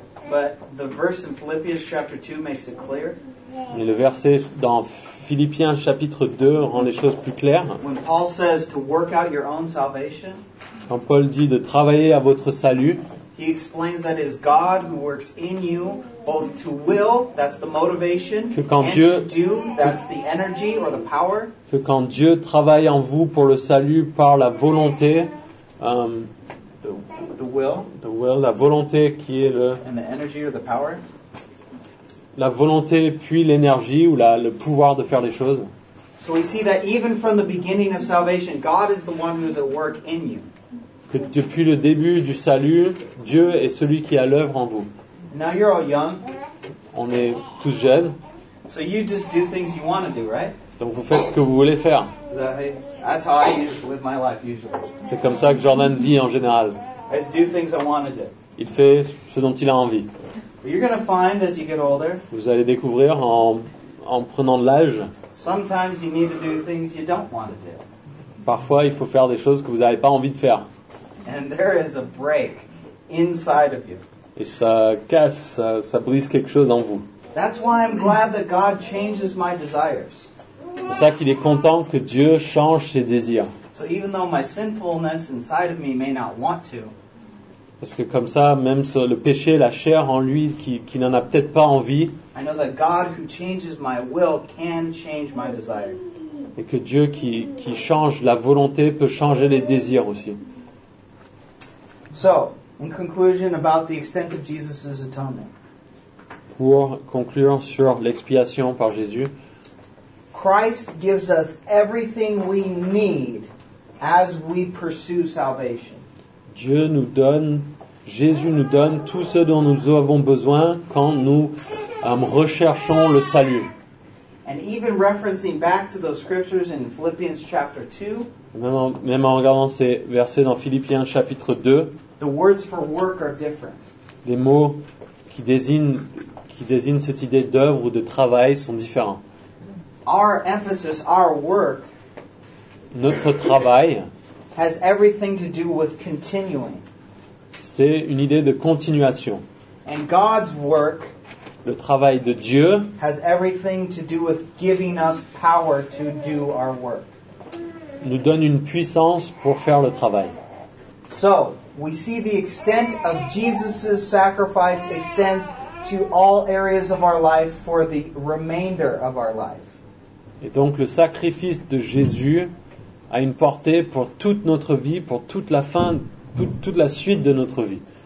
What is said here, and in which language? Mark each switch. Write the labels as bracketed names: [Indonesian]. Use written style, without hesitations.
[English] But the verse in Philippians chapter 2 makes it clear. [French] Mais le verset dans Philippiens chapitre 2 rend les choses plus claires. [English] When Paul says to work out your own salvation, [French] quand Paul dit de travailler à votre salut, [English] He explains that it is God who works in you both to will, that's the motivation, and [French] Dieu, [English] to do, that's the energy or the power. [French] Que quand Dieu travaille en vous pour le salut par la volonté, [English] the will, [French] la volonté qui est le, [English] and the energy or the power. [French] La volonté puis l'énergie ou la, le pouvoir de faire les choses. [English] So we see that even from the beginning of salvation, God is the one who is at work in you. [French] Que depuis le début du salut, Dieu est celui qui a l'œuvre en vous. [English] Now you're all young. [French] On est tous jeunes. [English] So you just do things you want to do, right? [French] Donc vous faites ce que vous voulez faire. [English] That's how I live my life usually. [French] C'est comme ça que Jordan vit en général. [English] I just do things I want to do. [French] Il fait ce dont il a envie. [English] But you're going to find as you get older. [French] Vous allez découvrir en prenant de l'âge. [English] Sometimes you need to do things you don't want to do. [French] Parfois, il faut faire des choses que vous n'avez pas envie de faire. [English] And there is a break inside of you. [French] Et ça casse, ça brise quelque chose en vous. [English] That's why I'm glad that God changes my desires. [French] C'est pour ça qu'il est content que Dieu change ses désirs. [English] So even though my sinfulness inside of me may not want to. [French] Parce que comme ça, même le péché, la chair en lui qui n'en a peut-être pas envie. [English] I know that God who changes my will can change my desire. [French] Et que Dieu qui change la volonté peut changer les désirs aussi. [English] So, in conclusion about the extent of Jesus's atonement. [French] Pour conclure sur l'expiation par Jésus. [English] Christ gives us everything we need as we pursue salvation. [French] Dieu nous donne, Jésus nous donne tout ce dont nous avons besoin quand nous recherchons le salut. [English] And even referencing back to those scriptures in Philippians chapter 2. [French] Même en regardant ces versets dans Philippiens chapitre 2. [English] The words for work are different. [French] Les mots qui désignent cette idée d'œuvre ou de travail sont différents. [English] Our emphasis, our work, [French] notre travail [English] has everything to do with continuing. [French] C'est une idée de continuation. [English] And God's work, [French] le travail de Dieu, [English] has everything to do with giving us power to do our work. [French] Nous donne une puissance pour faire le travail. [English] So, we see the extent of Jesus' sacrifice extends to all areas of our life for the remainder of our life. [French] Et donc le sacrifice de Jésus a une portée pour toute notre vie, pour toute la fin, toute la suite de notre vie.